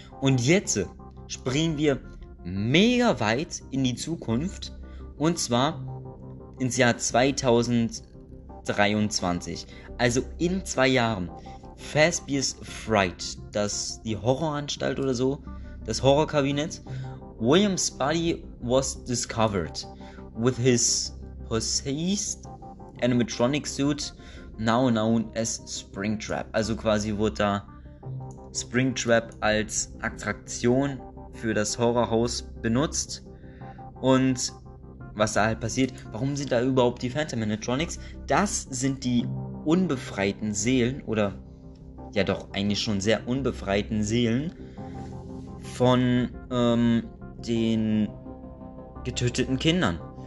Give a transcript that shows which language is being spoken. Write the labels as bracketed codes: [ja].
[de] Und jetzt springen wir mega weit in die Zukunft. Und zwar ins Jahr 2023. Also in 2 Jahren. Fazbear's Fright, das die Horroranstalt oder so, das Horrorkabinett. [en] William's body was discovered with his possessed animatronic suit, now known as Springtrap. [de] Also quasi wurde da Springtrap als Attraktion für das Horrorhaus benutzt. Und was da halt passiert, warum sind da überhaupt die Phantom Animatronics? Das sind die unbefreiten Seelen oder ja doch eigentlich schon sehr unbefreiten Seelen von den getöteten Kindern.